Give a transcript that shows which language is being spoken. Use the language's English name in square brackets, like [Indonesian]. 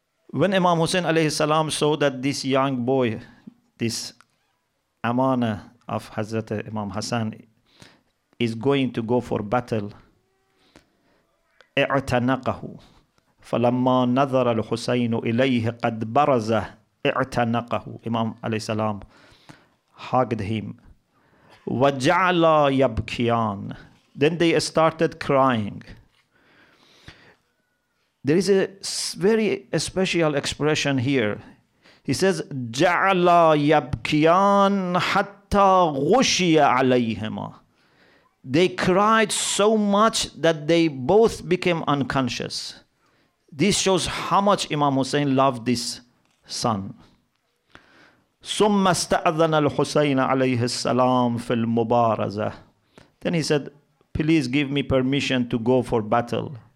[English] When Imam Hussein alayhi salam saw that this young boy, this amana of Hazrat Imam Hassan, is going to go for battle, [Arabic] اعتنقهُ فلما نظر الحسين إليه قد برز اعتنقهُ. [English] Imam alayhi salam hugged him. [Arabic] وجعل يبكيان. [English] Then they started crying. There is a very special expression here. He says, [Arabic] جعل يبكيان حتى غشي عليهما. [English] They cried so much that they both became unconscious. This shows how much Imam Hussein loved this son. [Arabic] ثُمَّ اسْتَأَذَنَ الْحُسَيْنَ عَلَيْهِ السَّلَامُ فِي الْمُبَارَزَةِ. [English] Then he said, please give me permission to go for battle.